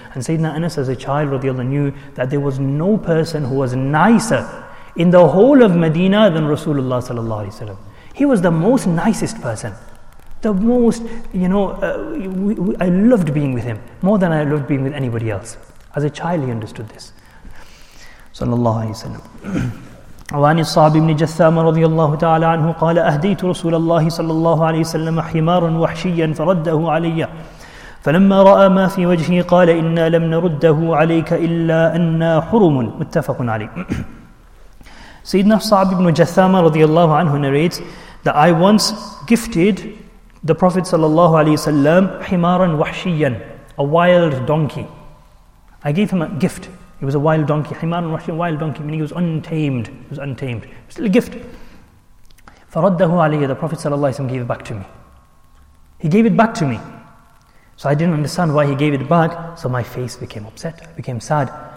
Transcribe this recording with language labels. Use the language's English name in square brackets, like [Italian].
[English] And Sayyidina Anas as a child radiallahu knew that there was no person who was nicer in the whole of Medina than Rasulullah sallallahu alaihi wasallam. He was the most nicest person. The most, you know, I loved being with him more than I loved being with anybody else. As a child, he understood this. Sallallahu alayhi wa sallam. [Arabic] وعن الصعب بن جثام رضي الله تعالى عنه قال أهديت رسول الله صلى الله عليه وسلم حمارا وحشيا فرده علي فلما رأى ما في وجهه قال إنا لم نرده عليك إلا أنا حرم. متفق عليه. [English] سيدنا الصعب بن جثام رضي الله عنه narrates that I once gifted the Prophet صلى الله عليه وسلم [Arabic] حمارا وحشيا, [English] a wild donkey. I gave him a gift. It was a wild donkey. Himar and Rashi, wild donkey, meaning he was untamed. It was untamed. It was still a gift. [Arabic] فَرَدَّهُ عَلَيْهِ. [English] The Prophet ﷺ gave it back to me. He gave it back to me. So I didn't understand why he gave it back. So my face became upset. I became sad.